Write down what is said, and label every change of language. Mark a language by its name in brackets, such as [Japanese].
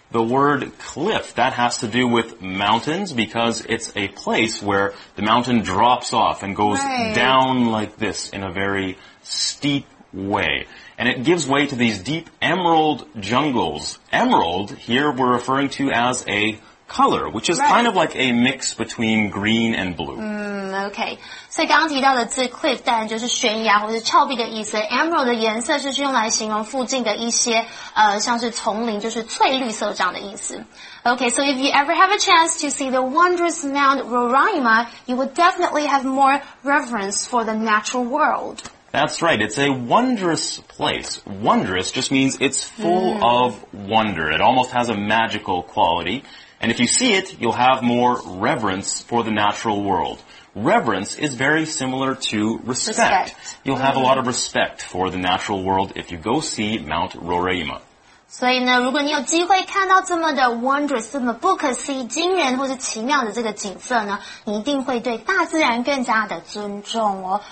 [English] The word cliff, that has to do with mountains because it's a place where the mountain drops off and goes down like this in a very steep way. And it gives way to these deep emerald jungles. Emerald, here we're referring to as a color, which is kind of like a mix between green and blue. Okay. [Chinese] 所以刚刚提到的字 cliff 当然就是悬崖或是峭壁的意思。 Emerald 的颜色就是用来形容附近的一些像是丛林，就是翠绿色这样的意思。 [English] Okay, so if you ever have a chance to see the wondrous Mount Roraima, you would definitely have more reverence for the natural world. That's right. It's a wondrous place. Wondrous just means it's full of wonder. It almost has a magical quality. And if you see it, you'll have more reverence for the natural world. Reverence is very similar to respect. You'll have a lot of respect for the natural world if you go see Mount Roraima. [Chinese] 所以呢，如果你有机会看到这么的 wondrous， 这么不可思议、惊人或是奇妙的这个景色呢，你一定会对大自然更加的尊重哦。